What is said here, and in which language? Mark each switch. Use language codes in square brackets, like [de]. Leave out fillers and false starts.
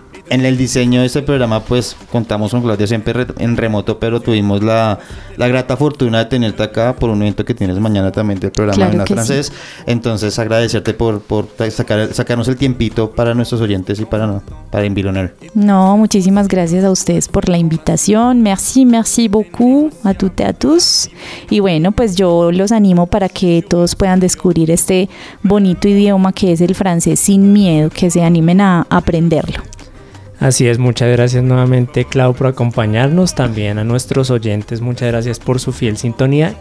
[es] En el diseño de este programa, pues contamos con Claudia siempre en remoto, pero tuvimos la grata fortuna de tenerte acá por un evento que tienes mañana también del programa claro en la francés. Sí. Entonces, agradecerte por sacarnos el tiempito para nuestros oyentes y para Envilonar. No, muchísimas gracias a ustedes por la invitación. [fr] Merci beaucoup a toutes et à tous. [es] Y bueno, pues yo los animo para que todos puedan descubrir este bonito idioma que es el francés sin miedo, que se animen a aprenderlo. Así es, muchas gracias nuevamente, Clau, por acompañarnos. También a nuestros oyentes, muchas gracias por su fiel sintonía.